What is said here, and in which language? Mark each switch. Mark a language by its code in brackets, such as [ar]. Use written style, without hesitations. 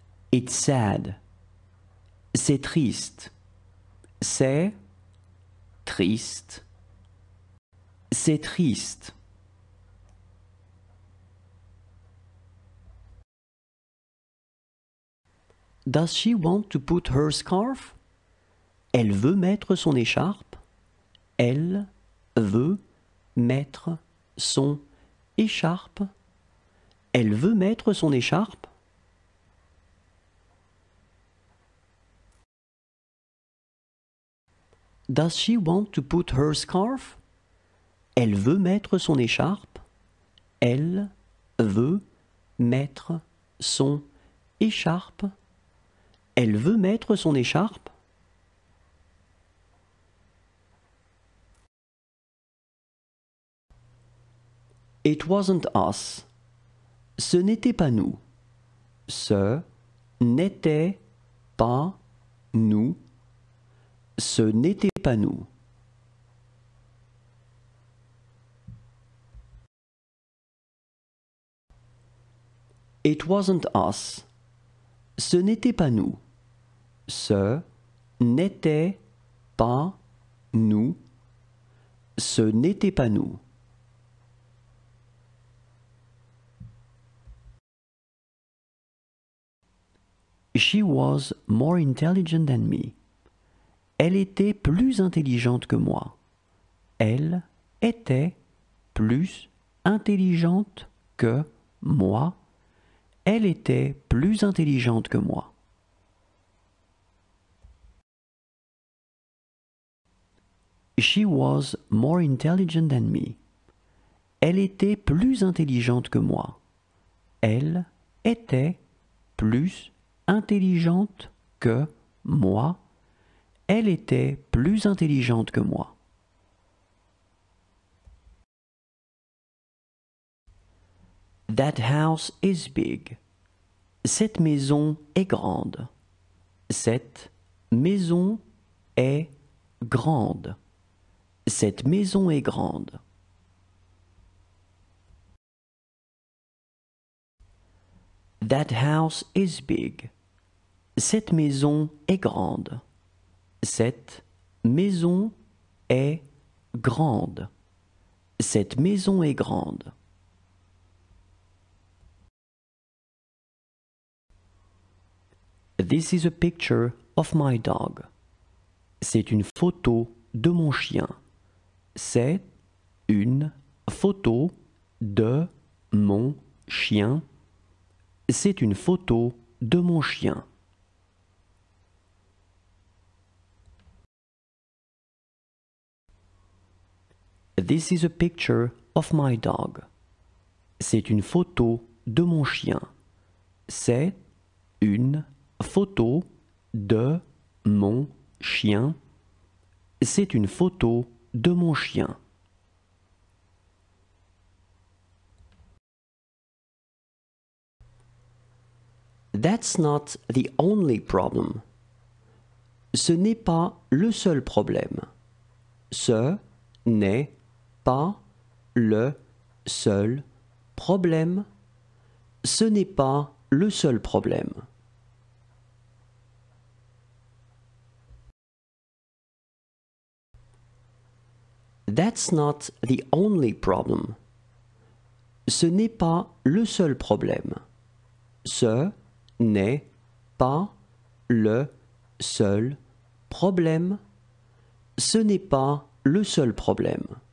[en] It's sad. [fr] C'est triste. C'est triste. C'est triste. [en] Does she want to put her scarf? [fr] Elle veut mettre son écharpe. Elle veut mettre son écharpe. Elle veut mettre son écharpe. [en] Does she want to put her scarf? [fr] Elle veut mettre son écharpe. Elle veut mettre son écharpe. Elle veut mettre son écharpe. [en] It wasn't us. [fr] Ce n'était pas nous. Ce n'était pas nous. Ce n'était pas nous. [en] It wasn't us. [fr] Ce n'était pas nous. Ce n'était pas nous. Ce n'était pas nous. [en] She was more intelligent than me. [fr] Elle était plus intelligente que moi. Elle était plus intelligente que moi. Elle était plus intelligente que moi. [en] She was more intelligent than me. [fr] Elle était plus intelligente que moi. Elle était plus intelligente que moi. Elle était plus intelligente que moi. [en] That house is big. [fr] Cette maison est grande. Cette maison est grande. Cette maison est grande. [en] That house is big. [fr] Cette maison est grande. Cette maison est grande. Cette maison est grande. [en] This is a picture of my dog. [fr] C'est une photo de mon chien. C'est une photo de mon chien. C'est une photo de mon chien. [en] This is a picture of my dog. [fr] C'est une photo de mon chien. C'est une photo de mon chien. C'est une photo de mon chien. [en] That's not the only problem. [fr] Ce n'est pas le seul problème. Ce n'est pas le seul problème. Ce n'est pas le seul problème. [en] That's not the only problem. [fr] Ce n'est pas le seul problème. Ce n'est pas le seul problème. Ce n'est pas le seul problème.